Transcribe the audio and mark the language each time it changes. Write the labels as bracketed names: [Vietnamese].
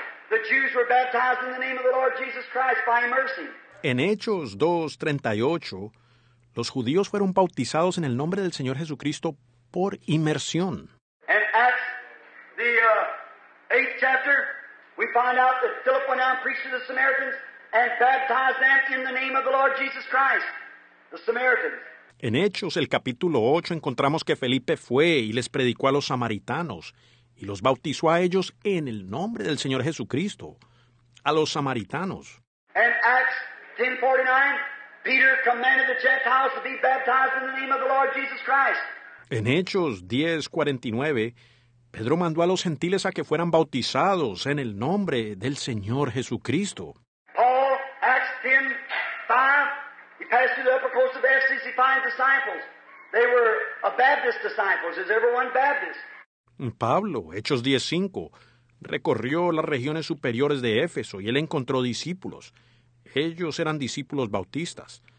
[English] The Jews were baptized in the name of the Lord Jesus Christ by immersion. [Spanish] En Hechos 2:38, los judíos fueron bautizados en el nombre del Señor Jesucristo por inmersión. [English] And Acts, the 8th chapter, we find out that Philip went out and preached to the Samaritans and baptized them in the name of the Lord Jesus Christ, the Samaritans. [Spanish] En Hechos, el capítulo 8, encontramos que Felipe fue y les predicó a los samaritanos. Y los bautizó a ellos en el nombre del Señor Jesucristo, a los samaritanos. [English] And Acts 10:49, Peter commanded the Gentiles to be baptized in the name of the Lord Jesus Christ. [Spanish] En Hechos 10:49, Pedro mandó a los gentiles a que fueran bautizados en el nombre del Señor Jesucristo. [English] Paul, Acts 10:5, he passed through the upper coast of Ephesus, he finds disciples. They were a Baptist disciples. Is everyone Baptist? [Spanish] Pablo, Hechos 10:5, recorrió las regiones superiores de Éfeso y él encontró discípulos. Ellos eran discípulos bautistas.